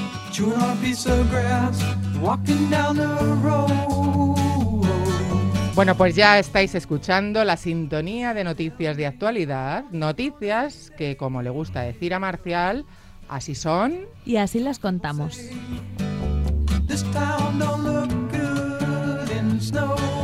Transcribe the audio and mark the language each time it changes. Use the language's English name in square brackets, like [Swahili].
[English] Chewing on a piece of grass, walking down the road. [Spanish] Bueno, pues ya estáis escuchando la sintonía de noticias de actualidad. Noticias que, como le gusta decir a Marcial, así son. Y así las contamos. [English] This town don't look good in the snow.